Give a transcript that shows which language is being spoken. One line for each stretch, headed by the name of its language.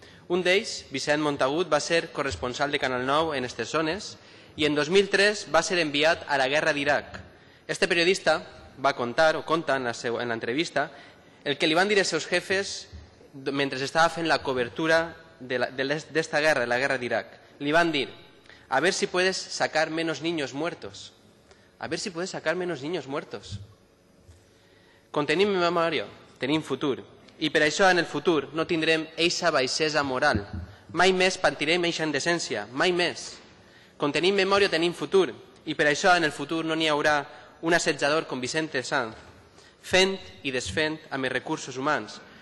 Catalan: Un d'ells, Vicent Montagut, va ser corresponsal de Canal 9 en aquestes zones i en 2003 va ser enviat a la guerra d'Iraq. Este periodista va contar, o conta en l'entrevista, el que li van dir els seus jefes mentre estava fent la cobertura d'esta guerra, la guerra d'Iraq. Li van dir,
Spanish: a ver si puedes sacar menos niños muertos. A ver si puedes sacar menos niños muertos.
Catalan: Contenim memòria, tenim futur. I per això en el futur no tindrem eixa baixesa moral. Mai més patirem eixa indecència, mai més. Contenim memòria, tenim futur. I per això en el futur no n'hi haurà un assetjador com Vicente Sanz, fent i desfent amb els recursos humans.